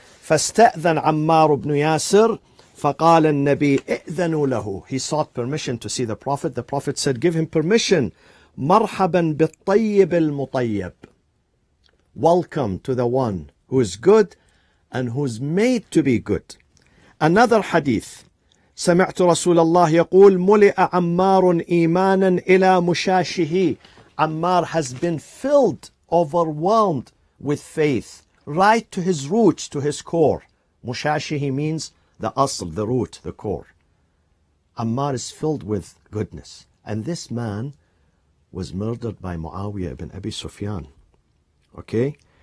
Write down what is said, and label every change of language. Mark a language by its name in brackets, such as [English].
[Arabic] فَاسْتَأْذَنَ عَمَّارُ بْنُ يَاسِرُ. فقال النبي ائذنوا له. [English] He sought permission to see the Prophet. The Prophet said, give him permission. [Arabic] مرحبا بالطيب المطيب. [English] Welcome to the one who is good and who is made to be good. Another hadith. [Arabic] سمعت رسول الله يقول ملئ عمار إيمانا إلى مشاشه. [English] Ammar has been filled, overwhelmed with faith, right to his roots, to his core. مشاشه means the asl, the root, the core. Ammar is filled with goodness. And this man was murdered by Muawiyah ibn Abi Sufyan. Okay?